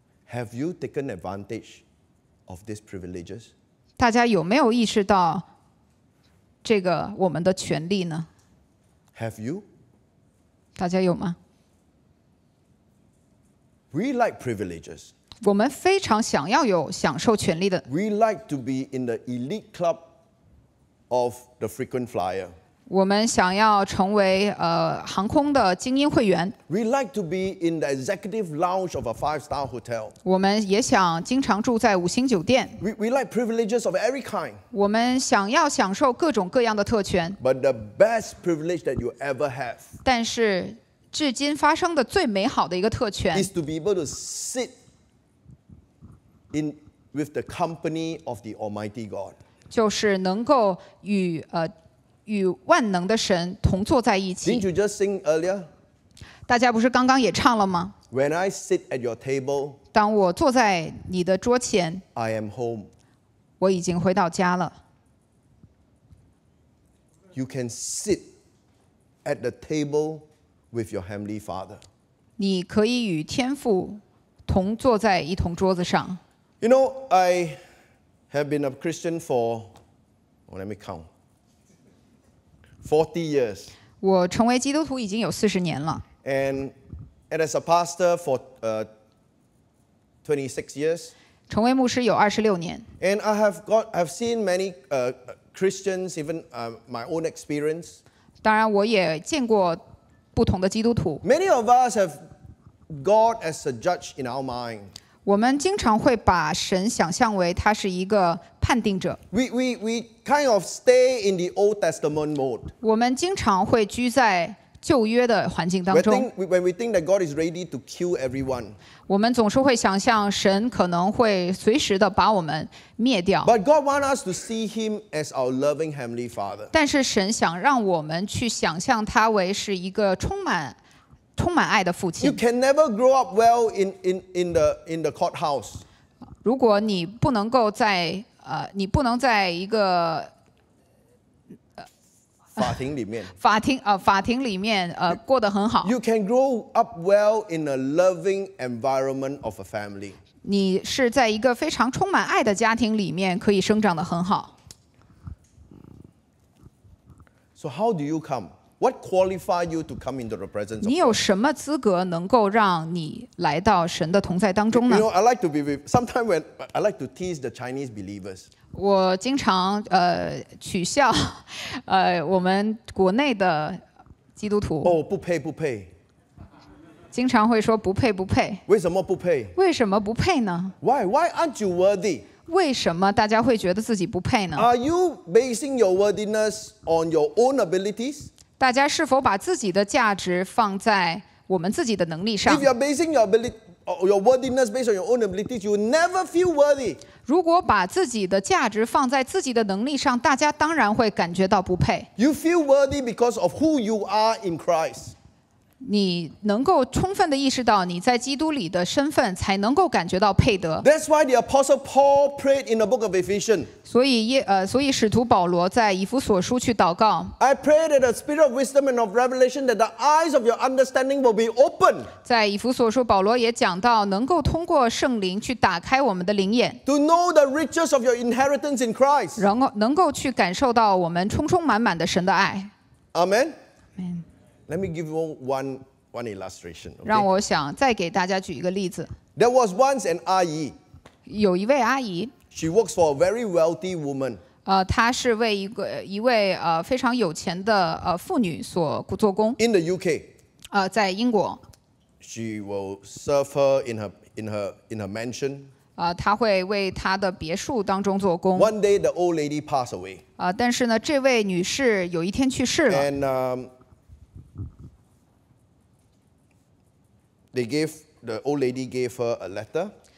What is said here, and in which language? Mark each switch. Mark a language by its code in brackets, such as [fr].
[en] Have you taken advantage of these privileges? [zh] 大家有没有意识到这个我们的权利呢 [en] ？Have you? [zh] 大家有吗 [en] ？We like privileges. [zh] 我们非常想要有享受权利的。 [en] We like to be in the elite club of the frequent flyer. [zh] 我们想要成为航空的精英会员。 [en] We like to be in the executive lounge of a five-star hotel. [zh] 我们也想经常住在五星酒店。 [en] We like privileges of every kind. [zh] 我们想要享受各种各样的特权。 [en] But the best privilege that you ever have. [zh] 但是，至今发生的最美好的一个特权 [en] is to be able to sit in with the company of the Almighty God. [zh] 就是能够与与万能的神同坐在一起。 [en] Didn't you just sing earlier? [zh] 大家不是刚刚也唱了吗？ [en] When I sit at your table, [zh] 当我坐在你的桌前， [en] I am home. [zh] 我已经回到家了。 [en] You can sit at the table with your heavenly Father. [zh] 你可以与天父同坐在一同桌子上。 [en] You know, I have been a Christian for, well, let me count. 40 years. [zh] 我成为基督徒已经有40年了。 [en] And as a pastor for 26 years. [zh] 成为牧师有26年。 [en] And I've seen many Christians, even my own experience. [zh] 当然，我也见过不同的基督徒。 [en] Many of us have God as a judge in our mind. [zh] 我们经常会把神想象为他是一个判定者。 [en] We kind of stay in the Old Testament mode. [zh] 我们经常会居在旧约的环境当中。 [en] When we think that God is ready to kill everyone. [zh] 我们总是会想象神可能会随时的把我们灭掉。 [en] But God wants us to see Him as our loving Heavenly Father. [zh] 但是神想让我们去想象他为是一个充满爱的父亲。 [en] You can never grow up well in the courthouse. [zh] 如果你不能够在你不能在一个法庭里面，法庭里面过得很好。 [en] You can grow up well in a loving environment of a family. [zh] 你是在一个非常充满爱的家庭里面可以生长得很好。 [en] So how do you come? What qualifies you to come into the presence of God? [zh] 你有什么资格能够让你来到神的同在当中呢？ [en] You know, I like to be with, sometimes when I like to tease the Chinese believers. [zh] 我经常取笑我们国内的基督徒。 Oh, 不配不配。经常会说不配不配。为什么不配？为什么不配呢？ [en] Why aren't you worthy? [zh] 为什么大家会觉得自己不配呢？ [en] Are you basing your worthiness on your own abilities? [zh] 大家是否把自己的价值放在我们自己的能力上？ [en] If you are basing your ability, your worthiness based on your own abilities, you will never feel worthy. [zh] 如果把自己的价值放在自己的能力上，大家当然会感觉到不配。 [en] You feel worthy because of who you are in Christ. [zh] 你能够充分地意识到你在基督里的身份，才能够感觉到配得。 [en] That's why the Apostle Paul prayed in the book of Ephesians. [zh] 所以使徒保罗在以弗所书去祷告。 [en] I pray that the spirit of wisdom and of revelation that the eyes of your understanding will be open. [zh] 在以弗所书保罗也讲到能够通过圣灵去打开我们的灵眼。 [en] To know the riches of your inheritance in Christ. [zh] 能够去感受到我们充充满满的神的爱。 [en] Amen. Amen. Let me give you one illustration.、Okay? [zh] 让我想再给大家举一个例子。 [en] There was once an 阿姨。 [zh] 有一位阿姨。 [en] She works for a very wealthy woman. [zh] 她是为一位非常有钱的妇女所做工。 [en] In the UK. [zh] 在英国。 [en] She will serve her in her mansion. [zh] 她会为她的别墅当中做工。 [en] One day, the old lady passed away. [zh] 但是呢，这位女士有一天去世了。 [en] And the old lady gave her a letter.